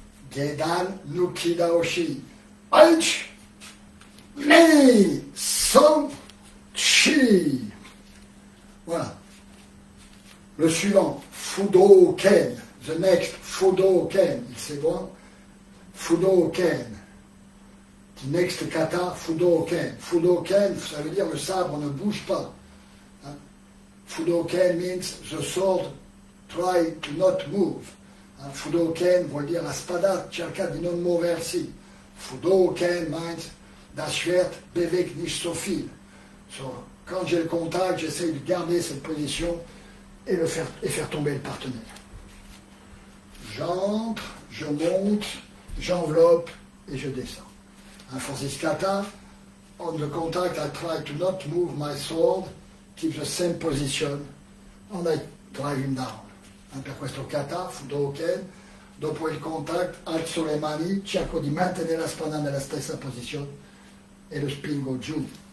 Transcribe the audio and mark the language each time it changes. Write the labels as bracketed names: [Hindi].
[Japanese] Gedan Nukidaoshi. Aich, Ni, San, Chi. Voilà. [French] Le suivant, Fudoken. [English] The next Fudoken, [French] il sait bon. [English] Fudoken. The next kata, Fudoken. [French] Fudoken, ça veut dire le sabre ne bouge pas. [English] Fudoken means the sword try to not move. [Italian] Fudoken [French] veut dire [Italian] la spada cerca di non muoversi. [German] Fudoken [English] means [German] das Schwert bewegt nicht so viel. [French] So, quand j'ai le contact, j'essaie de garder cette position et faire tomber le partenaire. J'entre, je monte, j'enveloppe et je descends. [English] For this kata, on the contact, I try to not move my sword, keep the same position, and I drive him down. [Italian] Per questo kata, Fudoken, dopo il contact, alzo le mani, cerco di mantenere la spada nella stessa posizione e lo spingo giù.